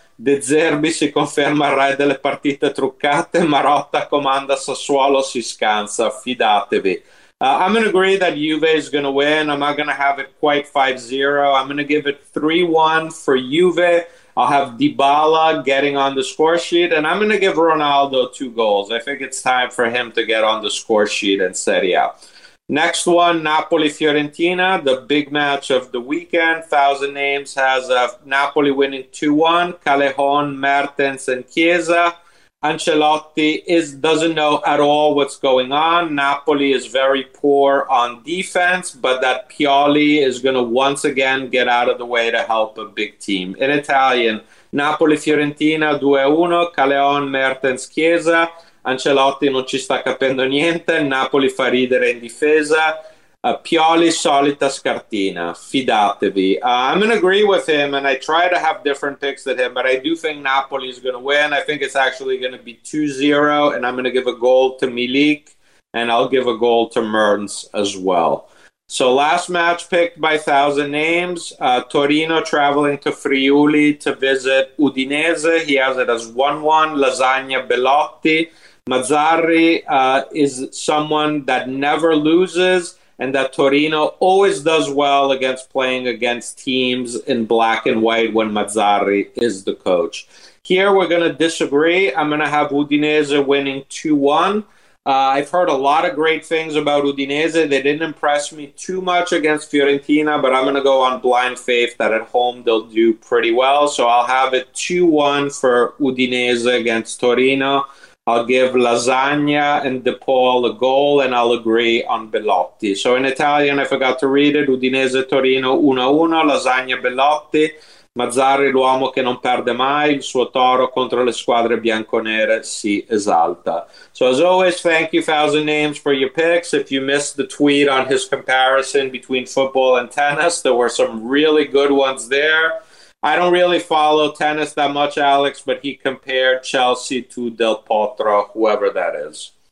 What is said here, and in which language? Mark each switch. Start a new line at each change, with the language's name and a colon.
Italian: De Zerbi si conferma il re delle partite truccate, Marotta comanda Sassuolo, si scansa, fidatevi.
English: I'm going to agree that Juve is going to win. I'm not going to have it quite 5-0. I'm going to give it 3-1 for Juve. I'll have Dybala getting on the score sheet, and I'm going to give Ronaldo 2 goals. I think it's time for him to get on the score sheet in Serie A. Next one, Napoli-Fiorentina, the big match of the weekend. 1,000 names has Napoli winning 2-1. Callejon, Mertens, and Chiesa. Ancelotti doesn't know at all what's going on. Napoli is very poor on defense, but that Pioli is going to once again get out of the way to help a big team. In Italian, Napoli-Fiorentina 2-1. Callejon, Mertens, Chiesa.
Italian: Ancelotti non ci sta capendo niente, Napoli fa ridere in difesa, Pioli solita scartina, fidatevi.
English: I'm going to agree with him, and I try to have different picks than him, but I do think Napoli is going to win. I think it's actually going to be 2-0, and I'm going to give a goal to Milik, and I'll give a goal to Mertens as well. So last match picked by 1,000 names, Torino traveling to Friuli to visit Udinese. He has it as 1-1, Lasagna Belotti. Mazzarri is someone that never loses, and that Torino always does well against playing against teams in black and white when Mazzarri is the coach. Here we're going to disagree. I'm going to have Udinese winning 2-1. I've heard a lot of great things about Udinese. They didn't impress me too much against Fiorentina, but I'm going to go on blind faith that at home they'll do pretty well. So I'll have it 2-1 for Udinese against Torino. I'll give Lasagna and De Paul a goal, and I'll agree on Belotti. So in Italian, I forgot to read it. Udinese Torino 1-1, Lasagna Belotti.
Italian: Mazzarri, l'uomo che non perde mai, il suo toro contro le squadre bianconere si esalta.
English: So as always, thank you, 1,000 names, for your picks. If you missed the tweet on his comparison between football and tennis, there were some really good ones there. I don't really follow tennis that much, Alex, but he compared Chelsea to Del Potro, whoever that is.